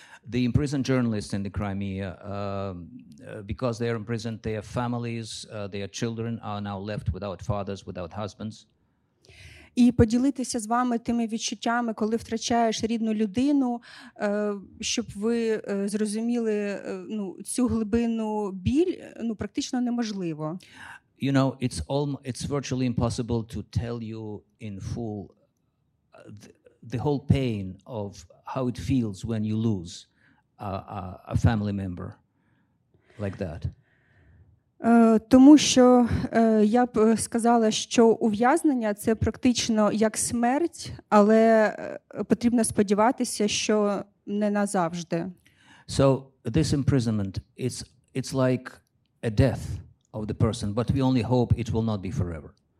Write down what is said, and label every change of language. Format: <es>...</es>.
<en>The imprisoned journalists in the Crimea, because they are imprisoned, their families, their children are now left without fathers, without husbands.</en> <uk>І поділитися з вами тими відчуттями, коли втрачаєш рідну людину, щоб ви зрозуміли ну, цю глибину біль, ну, практично неможливо.</uk> <en>You know, it's virtually impossible to tell you in full the whole pain of how it feels when you lose a family member like that.</en> <uk>Тому що я б сказала, що ув'язнення – це практично як смерть, але потрібно сподіватися, що не назавжди.</uk> <en>So this imprisonment, it's like a death of the person, but we only hope it will not be forever.</en>